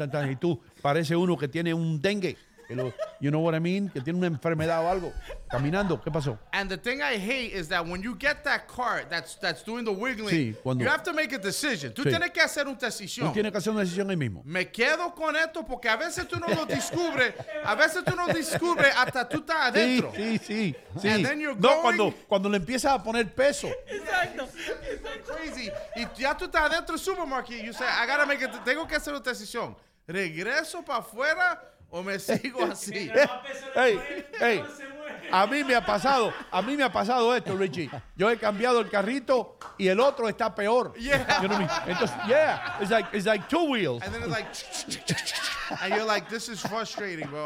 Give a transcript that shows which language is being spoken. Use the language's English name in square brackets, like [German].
[Spanish] Y tú, parece uno que tiene un dengue. [English] You know what I mean? [Spanish] Que tiene una enfermedad o algo. Caminando, ¿qué pasó? [English] And the thing I hate is that when you get that cart that's doing the wiggling, [Spanish] sí, cuando, [English] you have to make a decision. [Spanish] Tú sí. Tienes que hacer una decisión. Tú tienes que hacer una decisión ahí mismo. Me quedo con esto porque a veces tú no lo descubres. A veces tú no descubres hasta tú estás adentro. Sí, sí, sí. [English] And then you're going. [Spanish] No, cuando le empiezas a poner peso. Exacto. [English] Crazy. [Spanish] Y ya tú estás adentro del [English] supermarket. You say, I gotta make it. [Spanish] Tengo que hacer una decisión. Regreso para afuera. ¿O me sigo así? Hey, a mí me ha pasado esto, Richie. Yo he cambiado el carrito y el otro está peor. [English] Yeah. You know what I mean? [Spanish] Entonces, [English] yeah, it's like two wheels. And then it's like, and you're like, this is frustrating, bro.